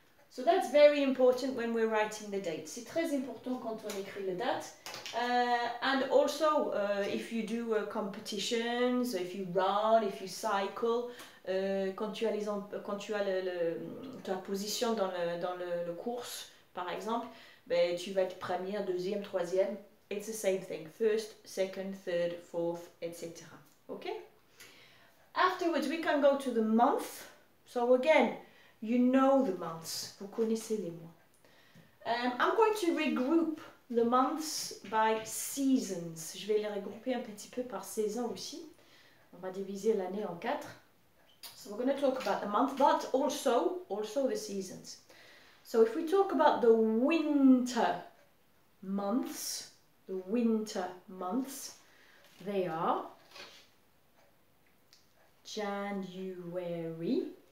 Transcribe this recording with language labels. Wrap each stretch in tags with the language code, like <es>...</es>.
<en>So that's very important when we're writing the date.</en> <fr>C'est très important quand on écrit la date.</fr> <en>And also, if you do competitions, if you run, if you cycle,</en> <fr>quand tu as ta position dans le course, par exemple, ben, tu vas être première, deuxième, troisième.</fr> <en>It's the same thing. First, second, third, fourth, etc. Okay? Afterwards, we can go to the month. So again, you know the months.</en> <fr>Vous connaissez les mois.</fr> <en>I'm going to regroup the months by seasons.</en> <fr>Je vais les regrouper un petit peu par saison aussi. On va diviser l'année en quatre.</fr> <en>So we're going to talk about the month, but also the seasons. So if we talk about the winter months, they are January.</en>